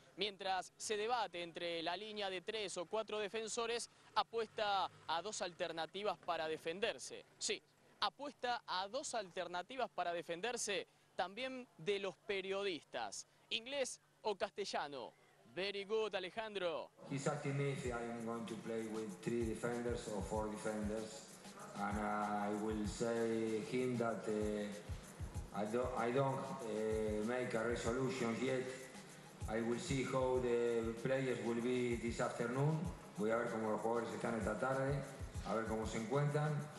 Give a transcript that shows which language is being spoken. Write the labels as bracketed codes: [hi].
[es] Mientras se debate entre la línea de tres o cuatro defensores, apuesta a dos alternativas para defenderse. Sí, apuesta a dos alternativas para defenderse también de los periodistas. ¿Inglés o castellano? [en] Very good, [es] Alejandro. [en] He's asking me if I'm going to play with three defenders or four defenders. And I will say him that I don't make a resolution yet. I will see how the players will be this afternoon. [es] Voy a ver cómo los jugadores están esta tarde, a ver cómo se encuentran.